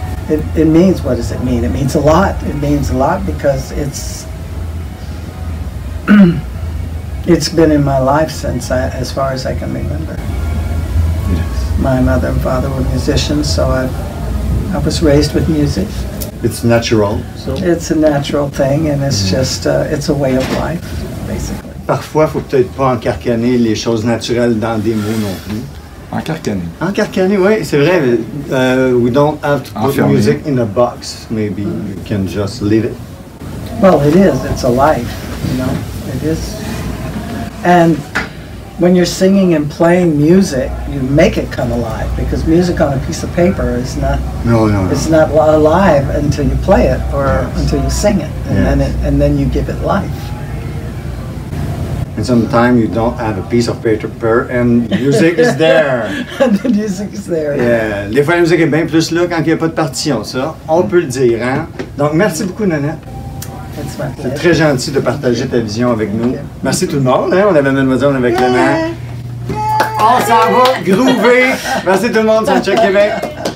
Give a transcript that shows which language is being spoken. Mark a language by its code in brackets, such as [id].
[en] It means, what does it mean? It means a lot. It means a lot because it's been in my life since as far as I can remember. Yes. My mother and father were musicians, so I was raised with music. It's natural. It's a natural thing, and it's just, it's a way of life, basically. [fr] Parfois, il ne faut peut-être pas encarcaner les choses naturelles dans des mots non plus. Encarcaner, oui, c'est vrai. [en] We don't have to put music in a box, maybe. You can just leave it. Well, it is. It's a life, you know. It is. And when you're singing and playing music, you make it come alive, because music on a piece of paper is not... No. It's not alive until you play it or until you sing it. And then you give it life. And sometimes you don't have a piece of paper and music is there. The music is there. Yeah. [fr] Des fois, la musique est bien plus là quand il n'y a pas de partition, ça. On peut le dire, hein? Donc, merci beaucoup, Nanette. [en] It's my pleasure. [fr] C'est très gentil de partager ta vision avec nous. Okay. Merci tout le monde, hein? On avait Mademoiselle avec Clément. On s'en va groover. Merci tout le monde sur SoUnDcHeCk QuÉbEc.